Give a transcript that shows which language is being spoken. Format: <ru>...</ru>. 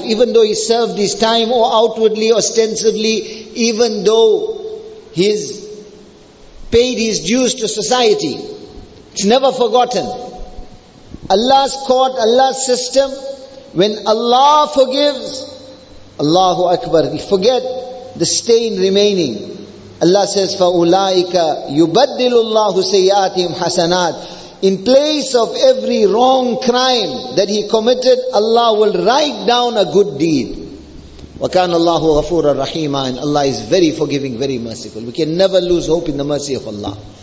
<en>Even though he served his time, or outwardly, ostensibly, even though he's paid his dues to society, it's never forgotten. Allah's court, Allah's system, when Allah forgives, Allahu Akbar, we forget the stain remaining. Allah says,</en> <ar>فَأُولَٰئِكَ يُبَدِّلُ اللَّهُ سَيِّئَاتِهِمْ حَسَنَاتٍ.</ar> <en>In place of every wrong crime that he committed, Allah will write down a good deed.</en> <ar>وَكَانَ اللَّهُ غَفُورًا رَحِيمًا.</ar> <en>And Allah is very forgiving, very merciful. We can never lose hope in the mercy of Allah.</en>